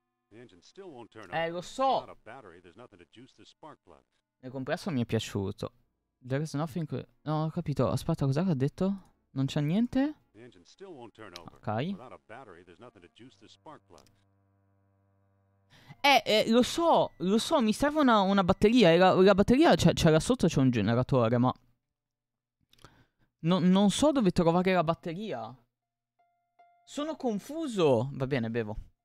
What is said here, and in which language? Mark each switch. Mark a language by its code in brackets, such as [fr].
[en] The engine still won't turn on. [it] Lo [en] Without [it] so. [en] a battery, there's nothing to juice the spark plugs. [it] Nel complesso mi è piaciuto. [en] There is nothing. [it] No, ho capito. Aspetta, cos'è che ha detto? Non c'è niente? [en] The engine still won't turn over. Ok. Without a battery, there's nothing to juice the spark plugs. [it] Lo so, mi serve una batteria. E la batteria c'è là sotto, c'è un generatore, ma. Non so dove trovare la batteria. Sono confuso. Va bene, bevo.